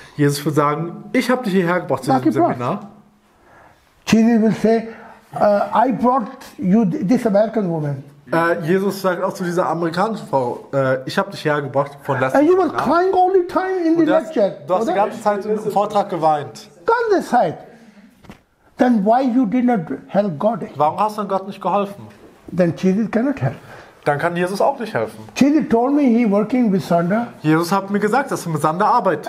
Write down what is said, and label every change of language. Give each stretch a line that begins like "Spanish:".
German: Jesus wird sagen, ich habe dich hierher gebracht zu diesem Seminar.
English: Jesus will say, I brought you this American woman.
German: Jesus sagt auch zu dieser amerikanischen Frau, ich habe dich hergebracht von letzter Zeit.
English: And you were crying all the time in the lecture.
German: Du hast die ganze Zeit im Vortrag geweint. Ganze Zeit.
English: Then why you did not help God?
German: Warum hast du Gott nicht geholfen?
English: Then Jesus cannot help.
German: Dann kann Jesus auch nicht helfen.
English: Jesus told me he working with Sander.
German: Jesus hat mir gesagt, dass er mit Sander arbeitet.